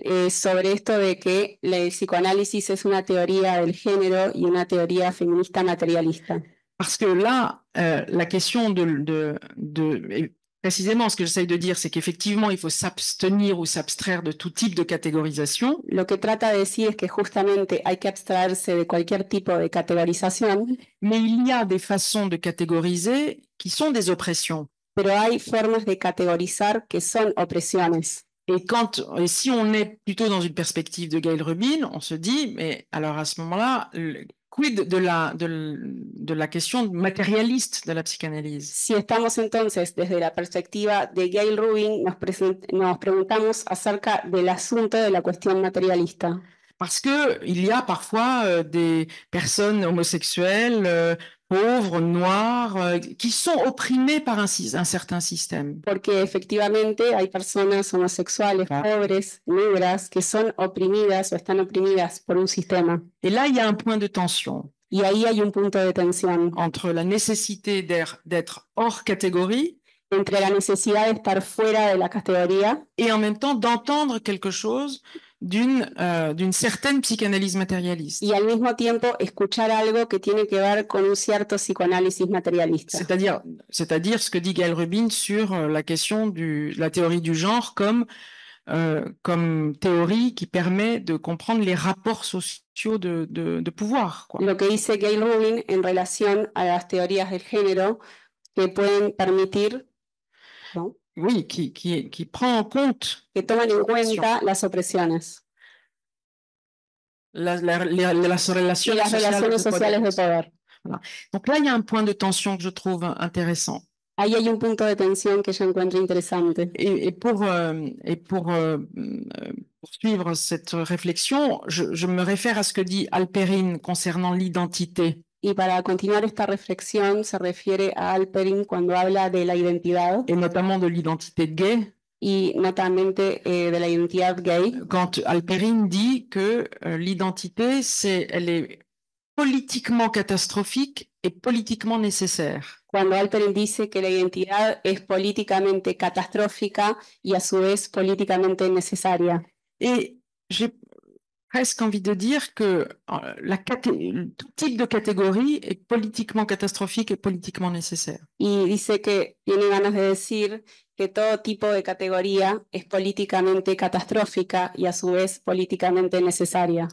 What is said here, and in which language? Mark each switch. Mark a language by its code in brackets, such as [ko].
[es] Sobre esto de que la psicoanálisis es una teoría del género y una teoría feminista materialista. [fr] Parce que là, la question de précisément, ce que j'essaye de dire, c'est qu'effectivement, il faut s'abstenir ou s'abstraire de tout type de catégorisation. [es] Lo que trata de decir es que justamente hay que abstraerse de cualquier tipo de categorización. [fr] Mais il y a des façons de catégoriser qui sont des oppressions. [es] Pero hay formas de categorizar que son opresiones. [fr] Et si on est plutôt dans une perspective de Gail Rubin, on se dit, mais alors à ce moment-là, quid de la question matérialiste de la psychanalyse? [es] Si estamos entonces desde la perspectiva de Gail Rubin, nos preguntamos acerca del asunto de la cuestión materialista. [fr] Parce que il y a parfois des personnes homosexuelles, pauvres, noires, qui sont opprimées par un certain système. [es] Porque efectivamente hay personas homosexuales, ah, pobres, negras, que son oprimidas o están oprimidas por un sistema. [fr] Et là, il y a un point de tension. [es] Y ahí hay un punto de tensión. [fr] Entre la nécessité d'être hors catégorie. [es] Entre la necesidad de estar fuera de la categoría. [fr] Et en même temps d'entendre quelque chose d'une certaine psychanalyse matérialiste. [es] Y al mismo tiempo escuchar algo que tiene que ver con un cierto psicoanálisis materialista. [fr] C'est-à-dire ce que dit Gail Rubin sur la question de la théorie du genre comme théorie qui permet de comprendre les rapports sociaux de pouvoir. Quoi. [es] Lo que dice Gail Rubin en relación a las teorías del género que pueden permitir... [fr] Oui, qui prend en compte [es] que toman en cuenta las opresiones. Las relaciones sociales de poder. [fr] Voilà. Donc là, il y a un point de tension que je trouve intéressant. [es] Ahí hay un punto de tensión que yo encuentro interesante. [fr] Pour poursuivre cette réflexion, je me réfère à ce que dit Halperin concernant l'identité. [es] Y para continuar esta reflexión se refiere a Halperin cuando habla de la identidad. [fr] Et notamment de l'identité de gay. [es] Y notamente de la identidad gay. [fr] Quand Halperin dit que l'identité, elle est politiquement catastrophique et politiquement nécessaire. [es] Cuando Halperin dice que la identidad es políticamente catastrófica y a su vez políticamente necesaria. [fr] Et j'ai presque envie de dire que tout type de catégorie est politiquement catastrophique et politiquement nécessaire. [es] Y dice que tiene ganas de decir que todo tipo de categoría es políticamente catastrófica y a su vez políticamente necesaria.